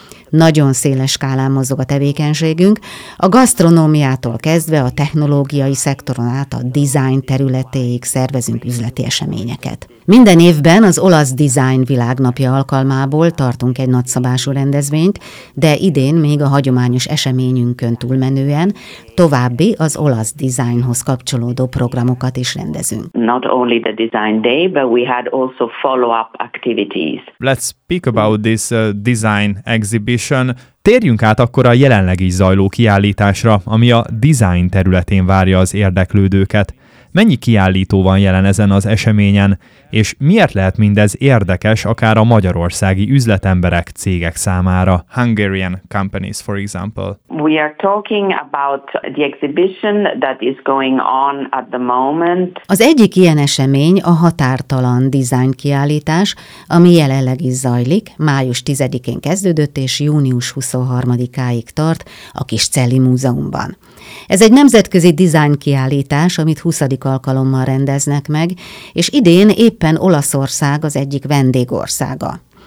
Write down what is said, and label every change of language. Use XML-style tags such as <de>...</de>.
<hu>Nagyon széles skálán mozog a tevékenységünk, a gasztronómiától kezdve a technológiai szektoron át a design területéig szervezünk üzleti eseményeket. Minden évben az olasz design világnapja alkalmából tartunk egy nagyszabású rendezvényt, de idén még a hagyományos eseményünkön túlmenően további az olasz designhoz kapcsolódó programokat is rendezünk.</hu> <en>Not only the design day, but we had also follow-up activities. Let's speak about this design exhibition.</en> <hu>Térjünk át akkor a jelenleg is zajló kiállításra, ami a design területén várja az érdeklődőket. Mennyi kiállító van jelen ezen az eseményen, és miért lehet mindez érdekes akár a magyarországi üzletemberek, cégek számára?</hu> <en>Hungarian companies, for example. We are talking about the exhibition that is going on at the moment.</en> <hu>Az egyik ilyen esemény a Határtalan Design kiállítás, ami jelenleg is zajlik, május 10-én kezdődött és június 23-áig tart a Kiscelli Múzeumban. Ez egy nemzetközi design kiállítás, amit 20. alkalommal rendeznek meg, és idén éppen Olaszország az egyik vendégországa.</hu>